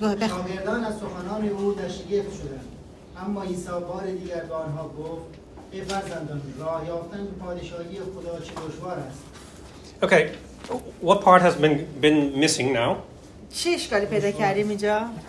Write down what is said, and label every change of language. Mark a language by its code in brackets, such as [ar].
[fa] شاگردان از سخنان او در شگفت شدند، اما عیسی بار دیگر به آنها گفت، ای فرزندان، راه یافتن به پادشاهی خدا چه دشوار است. [en] Okay, what part has been missing now? [fa] چه اشکالی پیدا کردیم اینجا؟